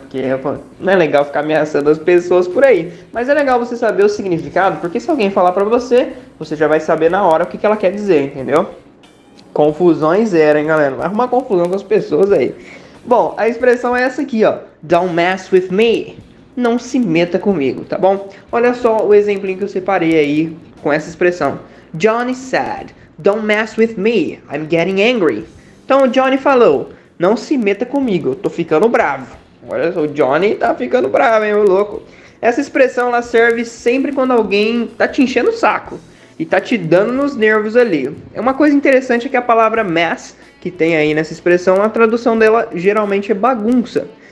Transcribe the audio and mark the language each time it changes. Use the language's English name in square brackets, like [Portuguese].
[Portuguese] Porque não é legal ficar ameaçando as pessoas por aí. Mas é legal você saber o significado, porque se alguém falar pra você, você já vai saber na hora o que ela quer dizer, entendeu? Confusões zero, hein, galera? Vai arrumar confusão com as pessoas aí. Bom, a expressão é essa aqui, ó. [English] Don't mess with me. [Portuguese] Não se meta comigo, tá bom? Olha só o exemplinho que eu separei aí com essa expressão. [English] Johnny said, don't mess with me, I'm getting angry. [Portuguese] Então o Johnny falou, não se meta comigo, eu tô ficando bravo. Olha só, o Johnny tá ficando bravo, hein, o louco. Essa expressão ela serve sempre quando alguém tá te enchendo o saco e tá te dando nos nervos ali. É uma coisa interessante é que a palavra mess, que tem aí nessa expressão, a tradução dela geralmente é bagunça.